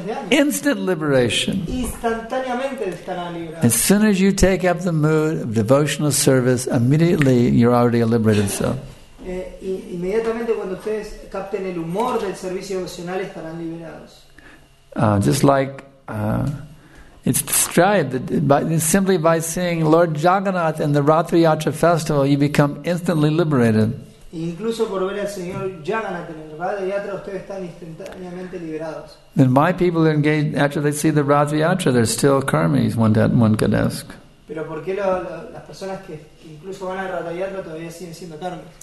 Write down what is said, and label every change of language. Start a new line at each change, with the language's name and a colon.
English: Instant liberation. As soon as you take up the mood of devotional service, immediately you're already a liberated soul.
Spanish: Inmediatamente cuando ustedes capten el humor del servicio emocional estarán liberados.
English: Just like It's described that by, simply by seeing Lord Jagannath in the Ratri Yatra festival, you become instantly liberated.
Spanish: Incluso por ver al Señor Jagannath en el Ratri Yatra, ustedes están instantáneamente liberados.
English: Then my people are engaged, after they see the Ratri Yatra, they're still karmis, one could ask.
Spanish: Pero ¿por qué las personas que incluso van al Ratri Yatra todavía siguen siendo karmis?